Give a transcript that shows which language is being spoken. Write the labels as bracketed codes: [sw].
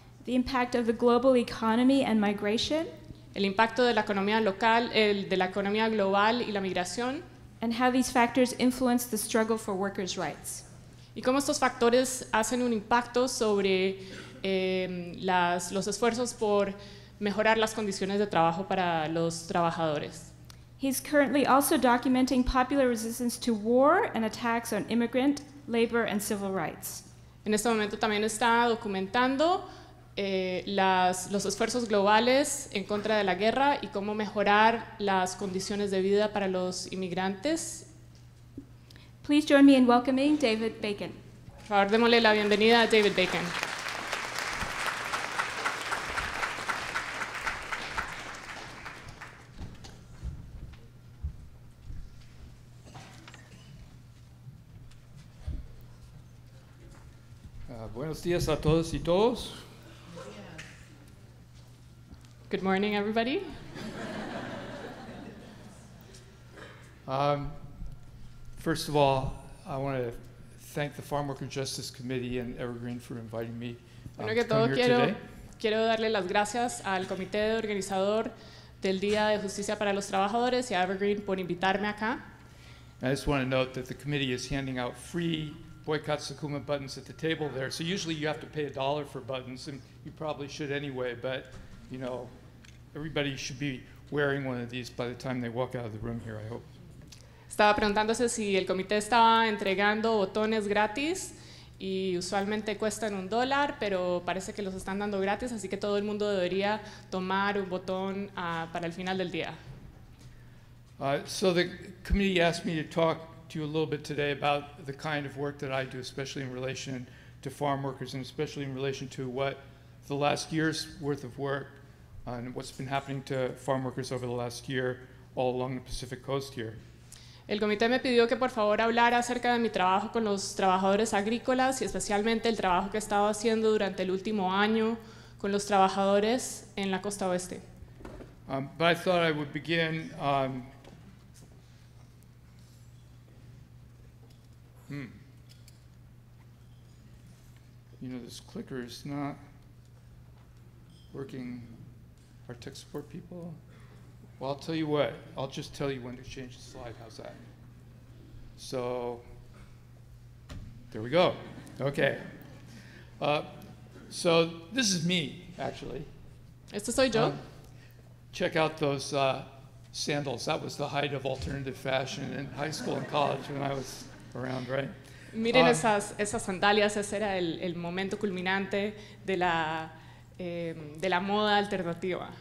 [en] The impact of the global economy and migration. [es] El impacto de la economía local, de la economía global y la migración. [en] And how these factors influence the struggle for workers' rights. [es] Y cómo estos factores hacen un impacto sobre los esfuerzos por mejorar las condiciones de trabajo para los trabajadores. [en] He's currently also documenting popular resistance to war and attacks on immigrant, labor, and civil rights. [es] En este momento también está documentando los esfuerzos globales en contra de la guerra y cómo mejorar las condiciones de vida para los inmigrantes. [en] Please join me in welcoming David Bacon. [es] Por favor, démosle la bienvenida a David Bacon. Buenos días a todos y todos. [en] Good morning, everybody. First of all, I want to thank the Farmworker Justice Committee and Evergreen for inviting me to come here today. [es] Quiero darle las gracias al comité de organizador del Día de Justicia para los Trabajadores y a Evergreen por invitarme acá. [en] I just want to note that the committee is handing out free boycott Sukuma buttons at the table there. So usually you have to pay $1 for buttons, and you probably should anyway. But you know, everybody should be wearing one of these by the time they walk out of the room here, I hope. [es] Estaba preguntándose si el comité estaba entregando botones gratis y usualmente cuestan $1, pero parece que los están dando gratis, así que todo el mundo debería tomar un botón para el final del día. [en] So the committee asked me to talk to you a little bit today about the kind of work that I do, especially in relation to farm workers and especially in relation to what the last year's worth of work and what's been happening to farm workers over the last year all along the Pacific Coast here. [es] El comité me pidió que por favor hablara acerca de mi trabajo con los trabajadores agrícolas y especialmente el trabajo que he estado haciendo durante el último año con los trabajadores en la costa oeste. [en] But I thought I would begin. You know, this clicker is not working. Our tech support people. Well, I'll tell you what. I'll just tell you when to change the slide. How's that? So there we go. OK. So this is me, actually. [es] Este soy yo. [en] Check out those sandals. That was the height of alternative fashion in high school and college when I was around, right? [es] Miren esas sandalias. Ese era el momento culminante de la moda alternativa.